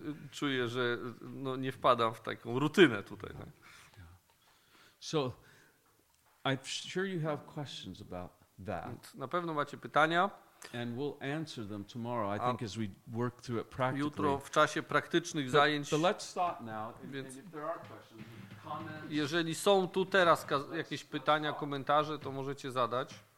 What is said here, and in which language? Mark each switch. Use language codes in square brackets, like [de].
[pl] Czuję, że no, nie wpadam w taką rutynę tutaj. [en] So, I'm sure you have questions about that. [pl] Na pewno macie pytania. [en] And we'll answer them tomorrow, I think, as we work through it practically. [pl] Jutro w czasie praktycznych zajęć. [en] But let's stop now. Więc if there are questions, comments. [pl] Jeżeli są tu teraz jakieś pytania, komentarze, to możecie zadać.